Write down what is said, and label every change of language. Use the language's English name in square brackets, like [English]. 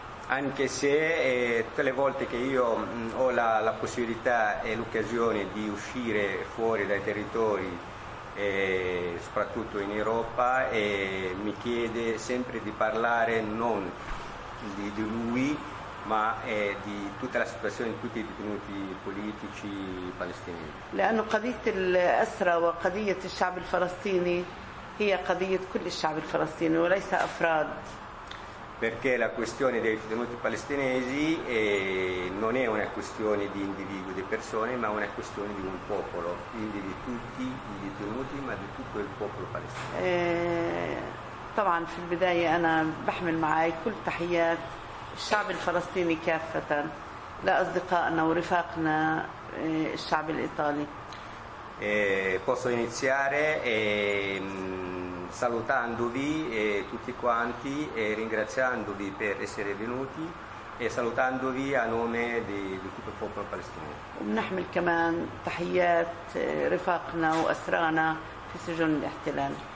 [Italian] Anche se tutte le volte che io ho la possibilità e l'occasione di uscire fuori dai territori, soprattutto in Europa, mi chiede sempre di parlare non di lui, ma di tutta la situazione di tutti i detenuti politici palestinesi. [Arabic] لأنه قضية الأسرى وقضية الشعب الفلسطيني هي قضية كل الشعب الفلسطيني وليس أفراد. [Italian] Perché la questione dei detenuti palestinesi non è una questione di individui, di persone, ma una questione di un popolo, quindi di tutti i detenuti, ma di tutto il popolo palestinese. [Arabic] طبعا في البداية أنا بحمل معي كل تحيات الشعب الفلسطيني كافة لأصدقائنا ورفاقنا الشعب الإيطالي. [Italian] Posso iniziare salutandovi tutti quanti e ringraziandovi per essere venuti e salutandovi a nome di tutto il popolo palestinese. [Arabic] ونحمل كمان تحيات رفاقنا وأسرانا في سجون الاحتلال.